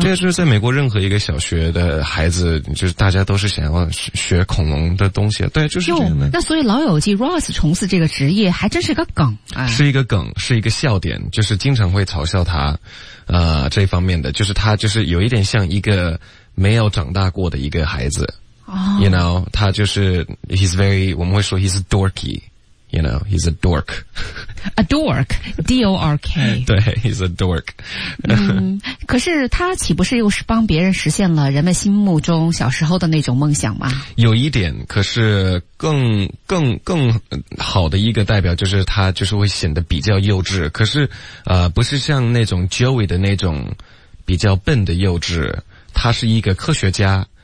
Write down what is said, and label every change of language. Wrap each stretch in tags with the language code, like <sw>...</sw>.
<zh>这就是在美国任何一个小学的孩子，就是大家都是想要学恐龙的东西，对，就是这样的。那所以老友记 Ross 从事这个职业还真是个梗、哎、是一个梗，是一个笑点，就是经常会嘲笑他这方面的，就是他就是有一点像一个没有长大过的一个孩子。</zh> <en>You know,</en> <zh>他就是</zh> <en>he's very,</en> <zh>我们会说</zh> <en>he's dorky, you know, he's a dork. A dork, D-O-R-K. 对 he's a dork.</en> <zh>嗯，可是他岂不是又是帮别人实现了人们心目中小时候的那种梦想吗？有一点，可是更好的一个代表就是他就是会显得比较幼稚，可是不是像那种 Joey 的那种比较笨的幼稚，他是一个科学家。</zh>